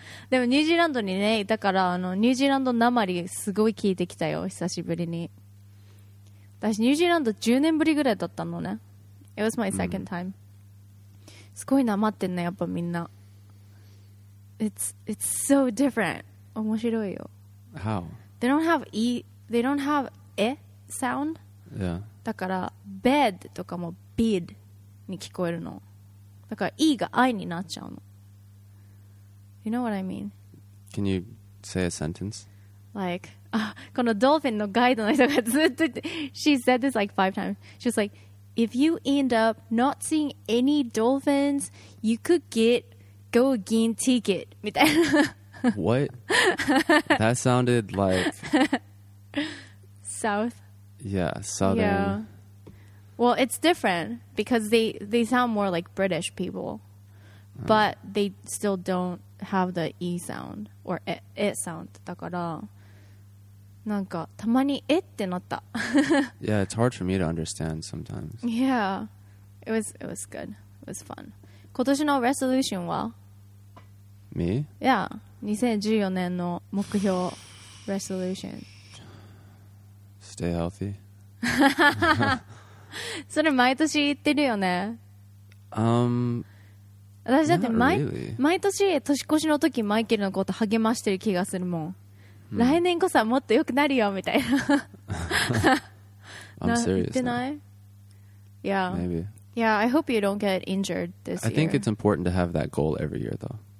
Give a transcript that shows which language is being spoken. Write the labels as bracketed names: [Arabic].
[Japanese] でもニュージーランドにね、だからニュージーランドなまりすごい聞いてきたよ、久しぶりに。私ニュージーランド10年ぶりぐらいだったのね。 [English] It was my second time. [Japanese] すごいなまってんね、やっぱみんな。 [English] It's so different. [Japanese] 面白いよ。 [English] How? They don't have E, they don't have E sound. Yeah. [Japanese] だから bed とかも bed. に聞こえるの。だから E が I になっちゃうの。 [English] You know what I mean? Can you say a sentence? Like, [Japanese] このドルフィンのガイドの人がずっと、 [English] She said this like 5 times. She was like, If you end up not seeing any dolphins, you could get go again ticket. [Japanese] みたいな。 [English] What? That sounded like... South. Yeah, southern. Yeah. Well, it's different because they sound more like British people, but they still don't have the E sound or it sound. [Japanese] だから、なんかたまにえってなった。 [English] Yeah, it's hard for me to understand sometimes. Yeah, it was good. It was fun. [Japanese] 今年のレソリューションは? [English] Me? [Japanese] Yeah, 2014年の目標 resolution. [English] Stay healthy. [Japanese] それ毎年言ってるよね。私だって毎年年越しの時マイケルのこと励ましてる気がするもん。来年こそはもっと良くなるよみたいな。 [English] I'm serious. [Japanese] 言ってない?Yeah. [English] Maybe. Yeah, I hope you don't get injured this year. I think it's important to have that goal every year, though.